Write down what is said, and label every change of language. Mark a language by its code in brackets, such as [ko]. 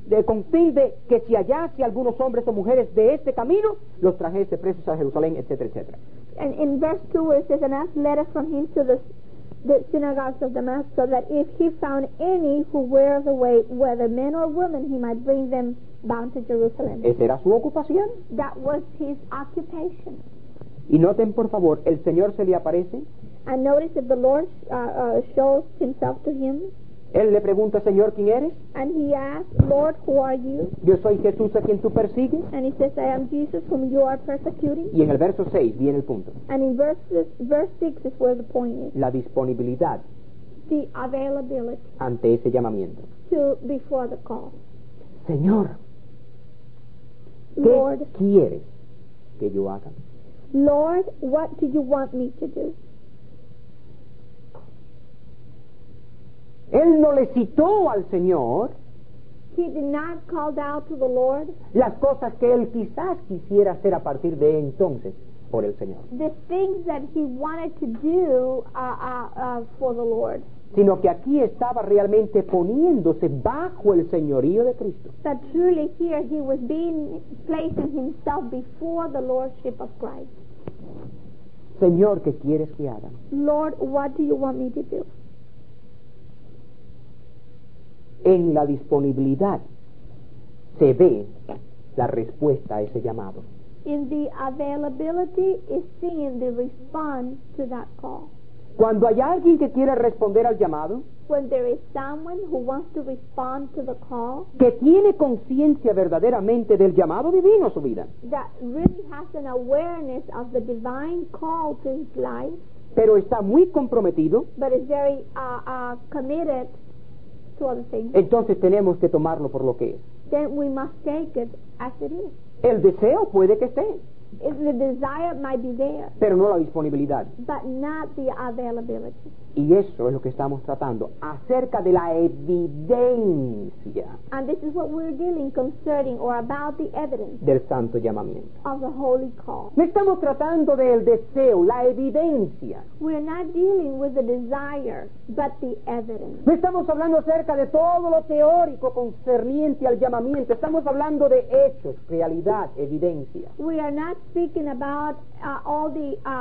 [es] Con fin de que si hallase algunos hombres o mujeres de este camino, los trajese presos a Jerusalén, etcétera, etcétera. [en] And in verse 2 it says, and asked letters from him to the synagogues of Damascus, so that if he found any who were the way, whether men or women, he might bring them bound to Jerusalem. [es] Esa era su ocupación. [en] That was his occupation. [es] Y noten por favor, el Señor se le aparece. [en] And notice that the Lord shows himself to him. [es] Él le pregunta, Señor, ¿quién eres? [en] And he asks, Lord, who are you? [es] Yo soy Jesús a quien tú persigues. [en] And he says, I am Jesus whom you are persecuting. [es] Y en el verso 6 viene el punto. [en] And in verse 6 is where the point is. [es] La disponibilidad. [en] The availability. [es] Ante ese llamamiento. [en] To before the call. [es] Señor, [en] Lord, [es] ¿qué quieres que yo haga? [en] Lord, what do you want me to do? [es] Él no le citó al Señor. [en] He did not call out to the Lord. [es] Las cosas que él quizás quisiera hacer a partir de entonces por el Señor. [en] The things that he wanted to do for the Lord. [es] Sino que aquí estaba realmente poniéndose bajo el señorío de Cristo. [en] That truly here he was placing himself before the lordship of Christ. [es] Señor, ¿qué quieres que haga? [en] Lord, what do you want me to do? [es] En la disponibilidad se ve la respuesta a ese llamado. [en] in the availability is seeing the response to that call. [es] Cuando hay alguien que quiere responder al llamado, [en] when there is someone who wants to respond to the call, [es] que tiene conciencia verdaderamente del llamado divino a su vida, [en] that really has an awareness of the divine call to his life, [es] pero está muy comprometido, [en] but is very committed to other things, [es] entonces tenemos que tomarlo por lo que es. [en] Then we must take it as it is. [es] El deseo puede que esté. [en] The desire might be there, [es] pero no la disponibilidad. [en] But not the availability. [es] Y eso es lo que estamos tratando acerca de la evidencia. [en] And this is what we're dealing concerning or about the evidence [es] del santo llamamiento. [en] Of the holy call. [es] No estamos tratando del deseo, la evidencia. [en] We're not dealing with the desire, but the evidence. [es] No estamos hablando acerca de todo lo teórico concerniente al llamamiento. Estamos hablando de hechos, realidad, evidencia. [en] We are not speaking about all the